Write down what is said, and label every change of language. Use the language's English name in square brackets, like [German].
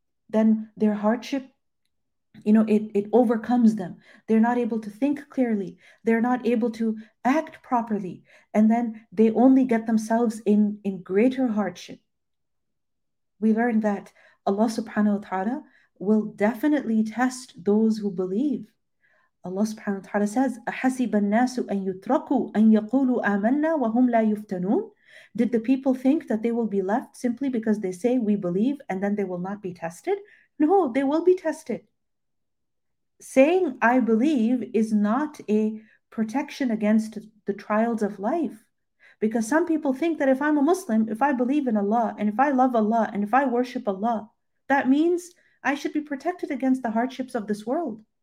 [English] Then their hardship, you know, it overcomes them. They're not able to think clearly. They're not able to act properly. And then they only get themselves in greater hardship. We learn that Allah subhanahu wa ta'ala will definitely test those who believe. Allah subhanahu wa ta'ala says, [Arabic] أَحَسِبَ النَّاسُ أَن يُتْرَكُوا أَن يَقُولُوا آمَنَّا وَهُمْ لَا يُفْتَنُونَ. [English] Did the people think that they will be left simply because they say we believe and then they will not be tested? No, they will be tested. Saying I believe is not a protection against the trials of life. Because some people think that if I'm a Muslim, if I believe in Allah, and if I love Allah, and if I worship Allah, that means I should be protected against the hardships of this world.